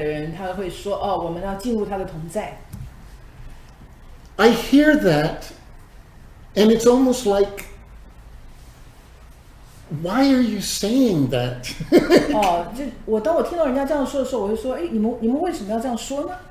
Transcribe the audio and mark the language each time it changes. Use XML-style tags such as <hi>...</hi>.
<zh>每当我进到一个教会，当带敬拜的人，他会说，哦，我们要进入他的同在。</zh> <en>I hear that and it's almost like, why are you saying that?</en> <zh>哦，就我当我听到人家这样说的时候，我会说，哎，你们为什么要这样说呢？</zh>